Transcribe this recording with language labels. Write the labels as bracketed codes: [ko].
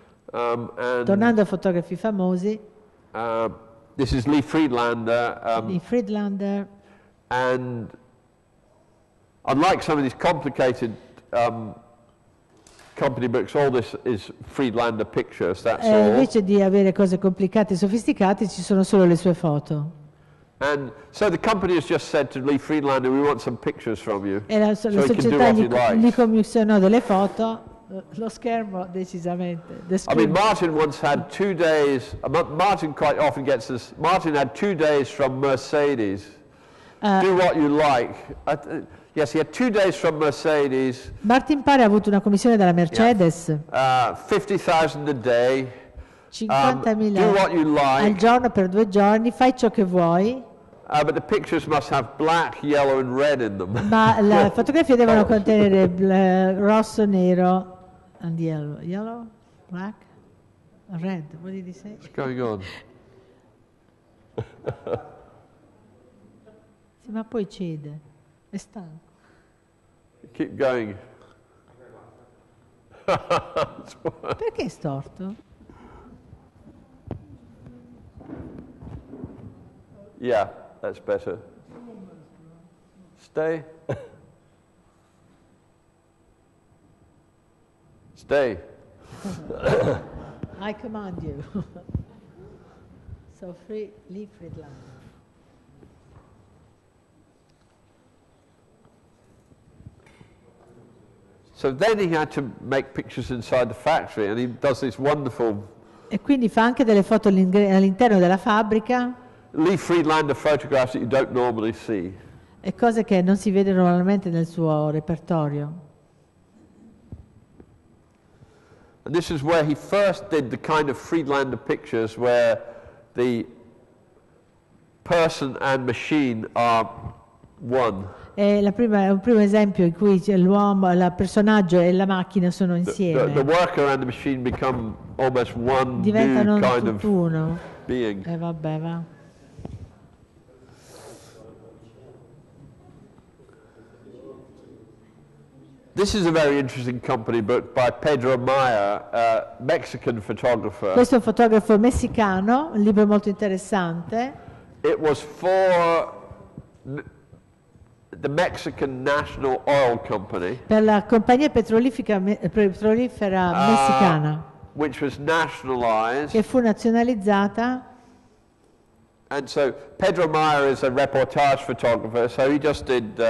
[it] Tornando a fotografi famosi. [en] This is Lee Friedlander. Lee Friedlander. And unlike some of these complicated company books, all this is Friedlander pictures. That's all. [it] Invece di avere cose complicate e sofisticate, ci sono solo le sue foto. [en] And so the company has just said to Lee Friedlander, "We want some pictures from you." [it] E la [en] so [it] società gli commissionò delle foto. Lo schermo, decisamente. [en] The screen. I mean, Martin once had 2 days. Martin quite often gets this. Martin had 2 days from Mercedes. Do what you like. Yes, he had 2 days from Mercedes. [it] Martin pare ha avuto una commissione dalla Mercedes. [en] Yeah. 50,000 a day. [it] 50,000. [en] Do what you like. [it] Al giorno per 2 giorni, fai ciò che vuoi. [en] But the pictures must have black, yellow, and red in them. [it] Ma le fotografie devono contenere rosso, nero, [en] and yellow. Yellow, black, red. What did he say? What's going on? [it] Sì, ma poi cede. È stanco. [en] Keep going. [it] Perché è storto? [en] Yeah. That's better. Stay. Stay. I command you. So free, leave Friedland. So then he had to make pictures inside the factory, and he does this wonderful. E quindi fa anche delle foto all'interno della fabbrica. Lee Friedlander photographs that you don't normally see. E cose che non si vedono normalmente nel suo repertorio. And this is where he first did the kind of Friedlander pictures where the person and machine are one. È la prima, un primo esempio in cui l'uomo, il personaggio e la macchina sono insieme. The worker and the machine become almost one. [it] Diventano [en] new kind [it] tutt'uno. [en] Of being. [it] Vabbè, va. [en] This is a very interesting company book by Pedro Maya, a Mexican photographer. [it] Questo è un fotografo messicano, un libro molto interessante. [en] It was for the Mexican National Oil Company. [it] Per la compagnia petrolifera messicana. [en] Which was nationalized. [it] Che fu nazionalizzata. [en] And so Pedro Maya is a reportage photographer, so he just did.